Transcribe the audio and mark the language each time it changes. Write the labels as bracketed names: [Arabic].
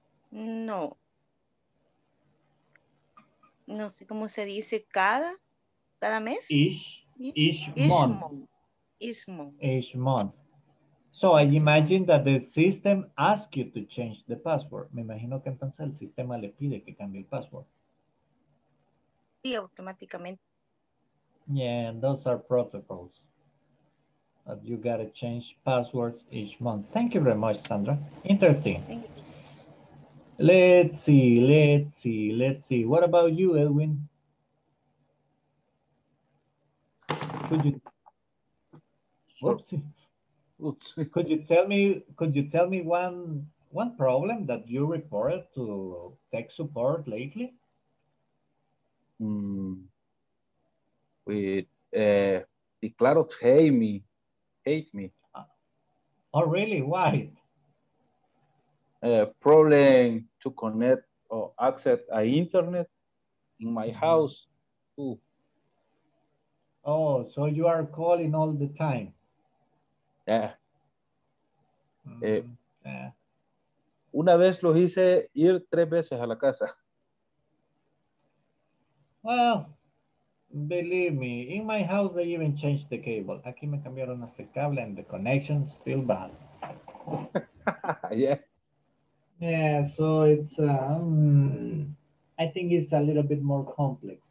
[Spanish] No. No sé cómo se dice cada mes. [English] Each month. So I imagine that the system asks you to change the password. [Spanish] Me imagino que entonces el sistema le pide que cambie el password. Sí, automáticamente. [English] Yeah, and those are protocols. But you gotta change passwords each month. Thank you very much, Sandra. Interesting. Thank you. Let's see. What about you, Edwin? Could you tell me one problem that you reported to tech support lately? Mm. with the clouds hate me. Oh really? Why? Problem to connect or access a internet in my house. Ooh. Oh, so you are calling all the time? Yeah. Yeah. [Spanish] Una vez lo hice ir tres veces a la casa. [English] Well, believe me, in my house they even changed the cable. [Spanish] Aquí me cambiaron hasta el cable [English] and the connection still bad. Yeah. Yeah, so it's, I think it's a little bit more complex.